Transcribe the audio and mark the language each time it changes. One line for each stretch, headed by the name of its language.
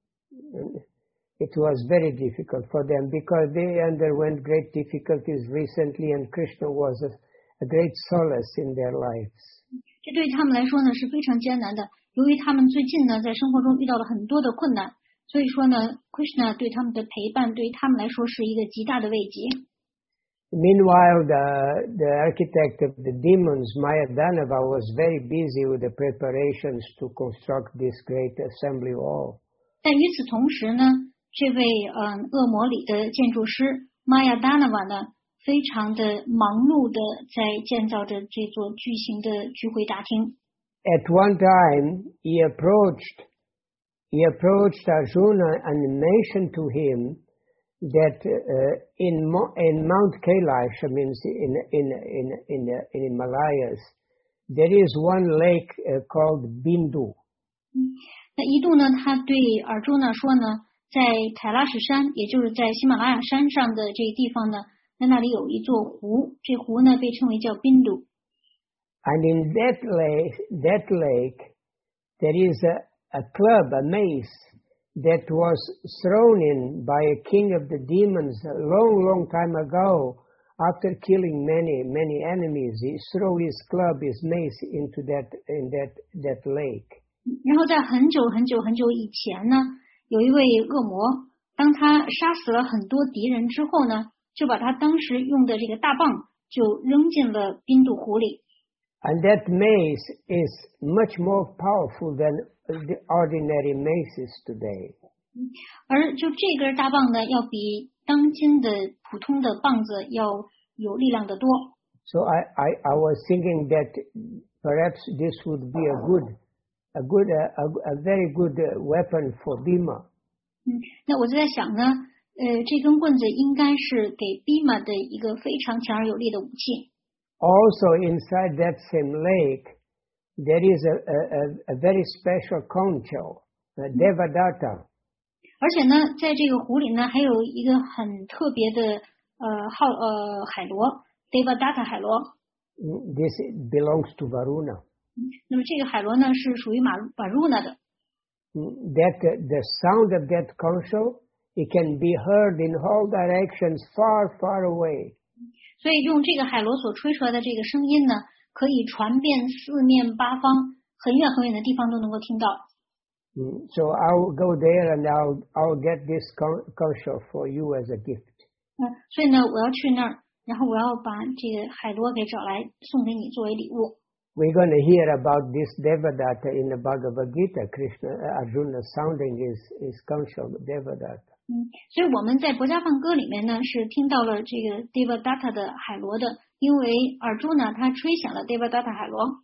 English: It was very difficult for them because they underwent great difficulties recently, and Krishna was a great solace in their lives.
Chinese: 这对他们来说呢是非常艰难的。由于他们最近呢在生活中遇到了很多的困难，所以说呢 ，Krishna 对他们的陪伴对于他们来说是一个极大的慰藉。
English: Meanwhile, the architect of the demons, Maya Danava, was very busy with the preparations to construct this great assembly hall.
Chinese: 但与此同时呢，这位恶魔里的建筑师 Maya Danava 呢？非常的忙碌的在建造着这座巨型的聚会大厅。
English: At one time, he approached Arjuna and mentioned to him that in Mount Kailash, means in Himalayas, there is one lake called Bindu.
Chinese: 那一度呢，他对 Arjuna 说呢，在凯拉什山，也就是在喜马拉雅山上的这个地方呢。在那里有一座湖，这湖呢被称为叫宾都。
English: And in that lake, there is a club, a maze that was thrown in by a king of the demons a long, long time ago. After killing many, many enemies, he threw his club, his maze into that lake.
Chinese: 然后在很久很久很久以前呢，有一位恶魔，当他杀死了很多敌人之后呢。就把他当时用的这个大棒就扔进了宾度湖里。
English: And that maze is much more powerful than the ordinary mazes today.
Chinese: 而就这根大棒呢，要比当今的普通的棒子要有力量的多。
English: So I was thinking that perhaps this would be a very good weapon for Bhima.
Chinese: 那我就在想呢。这根棍子应该是给 Bhima 的一个非常强而有力的武器。
English: Also inside that same lake, there is a very special concho, a Devadatta.
Chinese: 而且呢，在这个湖里呢，还有一个很特别的海螺 ，Devadatta 海螺。
English: This belongs to Varuna.
Chinese: 那么这个海螺呢，是属于Varuna 的。
English: That the sound of that concho. It can be heard in all directions, far, far away.
Chinese: 所以用这个海螺所吹出来的这个声音呢，可以传遍四面八方，很远很远的地方都能够听到。
English: So I'll go there and I'll get this concho for you as a gift.
Chinese: 所以呢，我要去那儿，然后我要把这个海螺给找来，送给你作为礼物。
English: We're going to hear about this Devadatta in the Bhagavad Gita. Krishna Arjuna sounding his concho Devadatta.
Chinese: 所以我们在《博伽梵歌》里面呢，是听到了这个 Devadatta 的海螺的，因为尔朱呢，他吹响了 Devadatta 海螺。